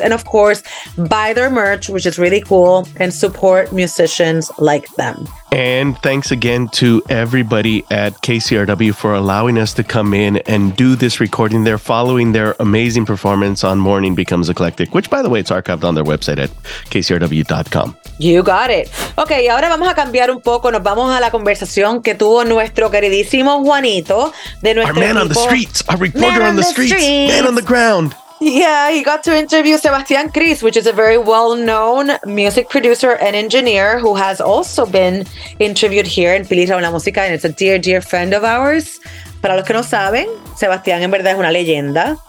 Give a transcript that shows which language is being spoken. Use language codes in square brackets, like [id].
[en] And of course, buy their merch, which is really cool, and support musicians like them. And thanks again to everybody at KCRW for allowing us to come in and do this recording. They're following their amazing performance on Morning Becomes Eclectic, which, by the way, it's archived on their website at kcrw.com. You got it. [es] Okay, ahora vamos a cambiar un poco. Nos vamos a la conversación que tuvo nuestro queridísimo Juanito de nuestro [en] Our man [es] equipo. [en] On the streets, our reporter man on the streets, man on the ground. Yeah, he got to interview Sebastián Cris, which is a very well-known music producer and engineer who has also been interviewed here in Pilis Raúl La Música, and it's a dear, dear friend of ours. [es] Para los que no saben, Sebastián en verdad es una leyenda.